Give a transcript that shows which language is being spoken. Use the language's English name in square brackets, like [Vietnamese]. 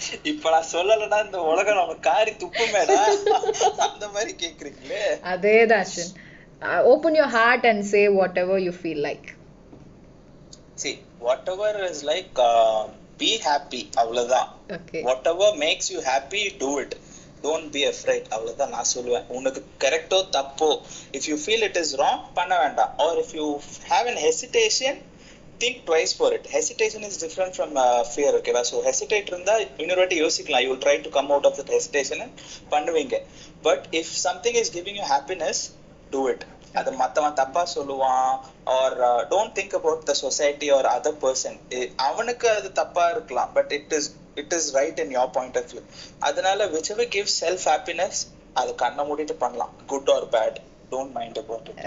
[Tamil] இப்ப நான் சொல்லலன்னா இந்த உலகம் நம்ம காரி துப்புமேடா, அந்த மாதிரி கேக்குறீங்களே. அதேதான் [English] Ashwin, open your heart and say whatever you feel like. See whatever is like be happy, [Tamil] அவ்வளவுதான். [English] okay, whatever makes you happy do it, don't be afraid, [Tamil] avladha na solven. unak correcto thappo, [English] if you feel it is wrong [Tamil] panna venda, [English] or if you have an hesitation think twice for it. Hesitation is different from fear. Okay, so hesitate [Tamil] irunda [English] innovate [Tamil] yosikala, [English] you will try to come out of that hesitation and [Tamil] panduvinga. [English] But if something is giving you happiness, do it. [Tamil] அது மற்றவன் தப்பாக சொல்லுவான், [English] or don't think about the society or other person, [Tamil] அவனுக்கு அது தப்பாக இருக்கலாம், [English] But it is right in your point of view. [Tamil] அதனால [English] whichever give self happiness [Tamil] அது கண்ணை மூடிட்டு பண்ணலாம், [English] Good or bad don't mind about it.